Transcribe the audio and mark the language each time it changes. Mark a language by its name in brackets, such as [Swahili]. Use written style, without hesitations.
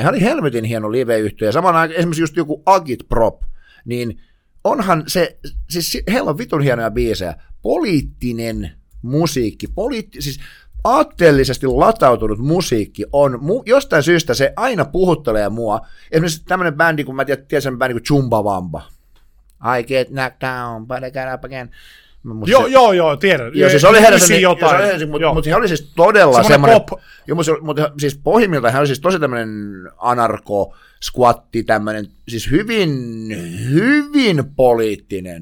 [Finnish] Hän oli helvetin hieno live-yhtyö. Samana esimerkiksi just joku Agitprop, niin onhan se, siis heillä on vitun hienoja biisejä. Poliittinen musiikki, siis aatteellisesti latautunut musiikki on jostain syystä se aina puhuttelee mua. Esimerkiksi tämmöinen bändi, kun mä tiedän sen bändi kuin Chumbawamba. [English] I get knocked down, but I got up again. [Finnish] Joo, tiedän. Joo, siis oli heräsi, mutta se oli siis todella semmoinen. Mutta siis pohjimmilta hän oli siis tosi tämmöinen anarko, squatti tämmöinen, siis hyvin, hyvin poliittinen.